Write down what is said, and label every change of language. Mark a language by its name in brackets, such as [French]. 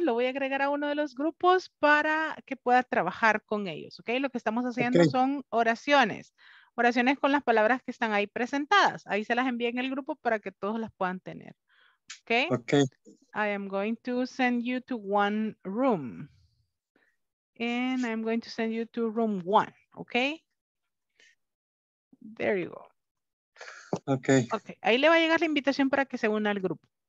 [Spanish] Lo voy a agregar a uno de los grupos para que pueda trabajar con ellos. ¿Ok? Lo que estamos haciendo okay. son oraciones. Oraciones con las palabras que están ahí presentadas. Ahí se las envié en el grupo para que todos las puedan tener. ¿Ok? Ok. [English] I am going to send you to one room. And I'm going to send you to room one. ¿Ok? There you go. Ok. Ok. [Spanish] Ahí le va a llegar la invitación para que se una al grupo.